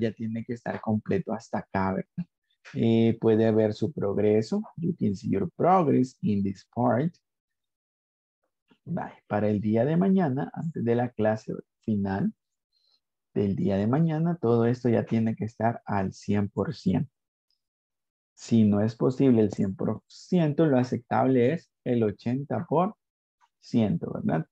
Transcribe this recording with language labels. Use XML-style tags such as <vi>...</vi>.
<es>Ya tiene que estar completo hasta acá, ¿verdad? Puede ver su progreso.</es> <en>You can see your progress in this part. Bye.</en> <es>Para el día de mañana, antes de la clase final del día de mañana, todo esto ya tiene que estar al 100%. Si no es posible el 100%, lo aceptable es el 80%, ¿verdad?</es>